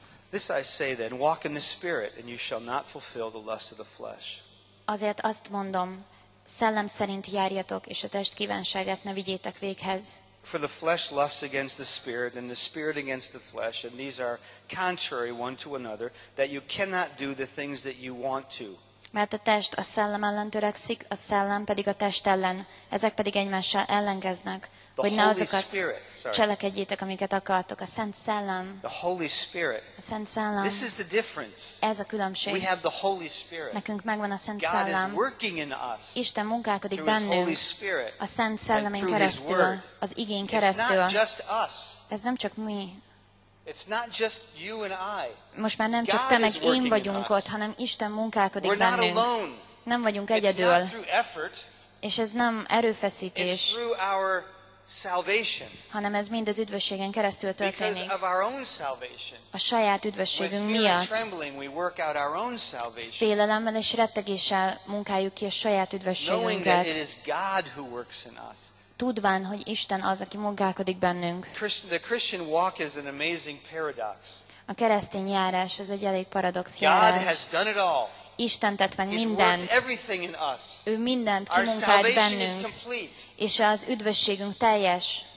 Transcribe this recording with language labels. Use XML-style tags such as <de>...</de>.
<en>This I say then, walk in the Spirit, and you shall not fulfill the lust of the flesh.</en> <hu>Azért azt mondom, szellem szerint járjatok, és a test kívánságát ne vigyétek véghez.</hu> <en>For the flesh lusts against the Spirit, and the Spirit against the flesh, and these are contrary one to another, that you cannot do the things that you want to.</en> <hu>Mert a test a szellem ellen törekszik, a szellem pedig a test ellen, ezek pedig egymással ellenkeznek, hogy ne azokat cselekedjétek, amiket akartok. A Szent Szellem.</hu> <en>The Holy Spirit.</en> <hu>A Szent Szellem.</hu> <en>This is the difference.</en> <hu>Ez a különbség.</hu> <en>We have the Holy Spirit.</en> <hu>Nekünk megvan a Szent</hu> <en>God</en> <hu>Szellem.</hu> <en>Is working in us</en> <hu>Isten munkálkodik bennünk.</hu> <en>Through His Holy Spirit.</en> <hu>A Szent Szellemén keresztül. Az igény keresztül.</hu> <en>It's not just us.</en> <hu>Ez nem csak mi.</hu> <en>It's not just you and I.</en> <hu>Most már nem csak te meg én vagyunk ott, hanem Isten munkálkodik</hu> <en>we're</en> <hu>bennünk.</hu> <en>Not alone.</en> <hu>Nem vagyunk egyedül.</hu> <en>It's not through effort.</en> <hu>És ez nem erőfeszítés.</hu> <en>It's through our salvation.</en> <hu>Hanem ez mind az üdvösségen keresztül történik.</hu> <en>Because of our own salvation.</en> <hu>A saját üdvösségünk miatt.</hu> <en>With fear and trembling we work out our own salvation.</en> <hu>Félelemmel és rettegéssel munkáljuk ki a saját üdvösségünket.</hu> <en>Knowing that it is God who works in us.</en> <hu>Tudván, hogy Isten az, aki munkálkodik bennünk.</hu> <en>The Christian walk is an amazing paradox.</en> <hu>A keresztény járás, ez egy elég paradox járás.</hu> <en>God has done it all.</en> <hu>Isten tett meg mindent.</hu> <en>He's worked everything in us.</en> <hu>Ő mindent kimunkált bennünk. És az üdvösségünk teljes.</hu>